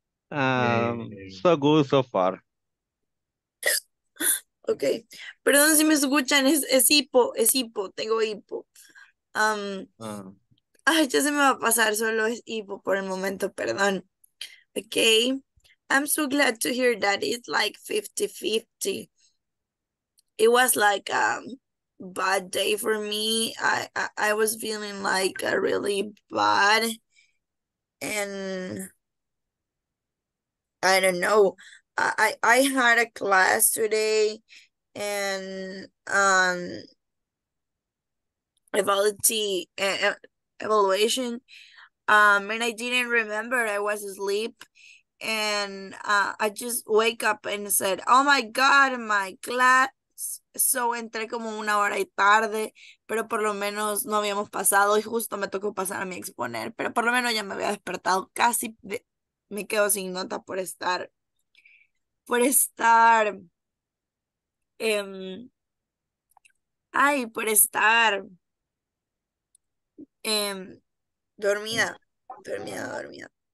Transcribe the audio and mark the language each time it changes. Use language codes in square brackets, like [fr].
[en] So good so far. [es] Okay, perdón si me escuchan, es hipo, tengo hipo. Ay, ya se me va a pasar, solo es hipo por el momento, perdón. [en] Okay, I'm so glad to hear that it's like 50-50. It was like a bad day for me. I was feeling like a really bad and I don't know. I had a class today and evaluation and I didn't remember. I was asleep and I just wake up and said, "Oh my God, my class." [es] So entré como una hora y tarde, pero por lo menos no habíamos pasado y justo me tocó pasar a mí exponer, pero por lo menos ya me había despertado casi de me quedo sin nota por estar dormida, dormida, dormida.